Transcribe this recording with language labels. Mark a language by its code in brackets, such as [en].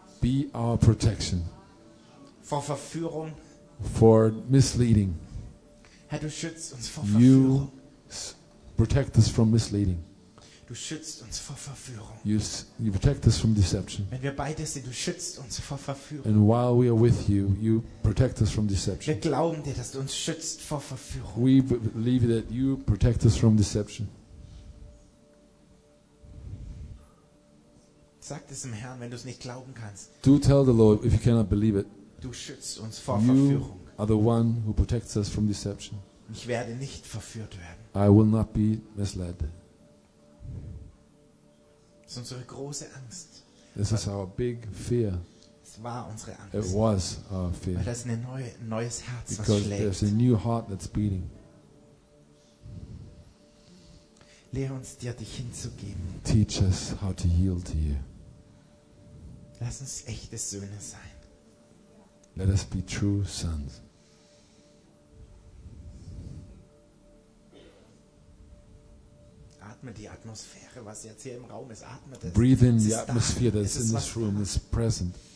[en] Be our protection. [de] Vor Verführung. [en] For misleading. [de] Herr, du schützt uns vor Verführung. [en] You protect us from misleading. [de] Du schützt uns vor Verführung. [en] You protect us from deception. [de] Wenn wir bei dir sind, du schützt uns vor Verführung. [en] And while we are with you, you protect us from deception. [de] Wir glauben dir, dass du uns schützt vor Verführung. [en] We believe that you protect us from deception. [de] Sag es dem Herrn, wenn du es nicht glauben kannst. [en] Do tell the Lord if you cannot believe it. [de] Du schützt uns vor Verführung. [en] You are the one who protects us from deception. [de] Ich werde nicht verführt werden. [en] I will not be misled. [de] Das ist unsere große Angst. [en] This is our big fear. [de] Es war unsere Angst. [en] It was our fear. [de] Weil das ist ein neues Herz, was [en] Because [de] schlägt. [en] Because there's a new heart that's beating. [de] Lehre uns, dir dich hinzugeben. [en] Teach us how to yield to you. [de] Lass uns echte Söhne sein. [en] Let us be true sons. [de] Atme die Atmosphäre, was jetzt hier im Raum ist. Atme das. [en] Breathe in the atmosphere that's in this room. It's present.